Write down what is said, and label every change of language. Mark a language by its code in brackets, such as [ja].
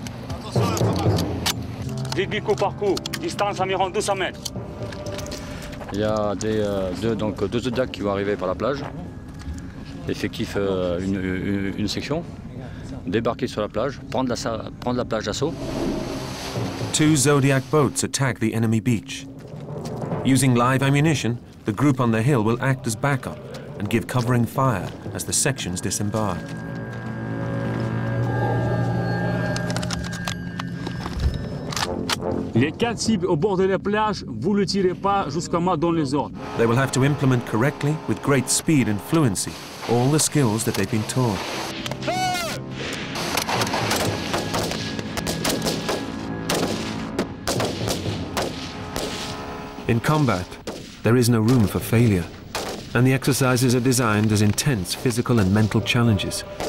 [fr] Attention à la commande. Vite, vite, coup par coup. Distance environ 200 mètres. Il y a deux Zodiacs qui vont arriver par la plage. Effectif une section. Débarquer sur la plage, prendre la plage d'assaut. [en] Two Zodiac boats attack the enemy beach. Using live ammunition, the group on the hill will act as backup and give covering fire as the sections disembark. [fr] Les quatre cibles au bord de la plage, vous ne tirez pas jusqu'à moi dans les ordres. [en] They will have to implement correctly, with great speed and fluency, all the skills that they've been taught. In combat, there is no room for failure, and the exercises are designed as intense physical and mental challenges.